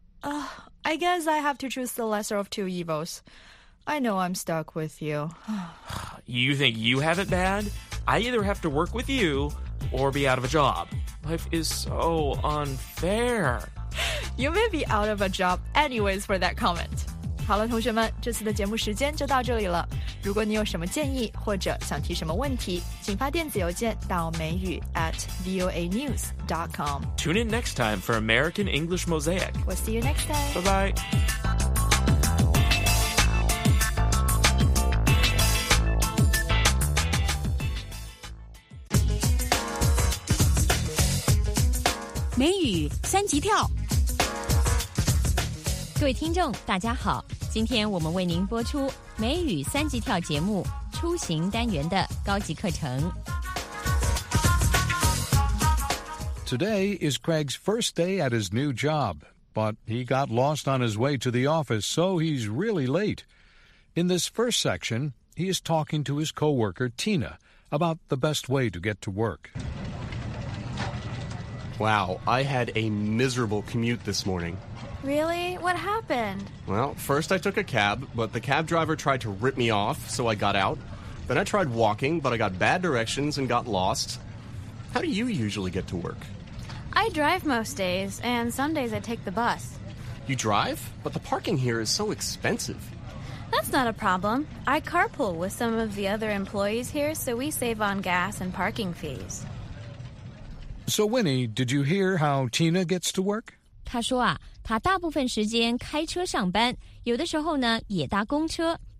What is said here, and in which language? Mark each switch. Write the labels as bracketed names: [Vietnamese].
[English] I guess I have to choose the lesser of two evils. I know I'm stuck with you. You think you have it bad? I either have to work with you or be out of a job. Life is so unfair. You may be out of a job anyways for that comment. [Chinese] 好了，同学们，这次的节目时间就到这里了。如果你有什么建议或者想提什么问题，请发电子邮件到美语@voanews.com. [English] Tune in next time for American English Mosaic. We'll see you next time. Bye-bye. [Chinese] 美语三级跳。各位听众大家好，今天我们为您播出美语三级跳节目出行单元的高级课程。 [English] Today is Craig's first day at his new job, but he got lost on his way to the office, so he's really late. In this first section, he is talking to his coworker, Tina, about the best way to get to work. Wow, I had a miserable commute this morning. Really? What happened? Well, first I took a cab, but the cab driver tried to rip me off, so I got out. Then I tried walking, but I got bad directions and got lost. How do you usually get to work? I drive most days, and some days I take the bus. You drive? But the parking here is so expensive. That's not a problem. I carpool with some of the other employees here, so we save on gas and parking fees. So, Winnie, did you hear how Tina gets to work? [Chinese] 她说啊，她大部分时间开车上班，有的时候呢也搭公车。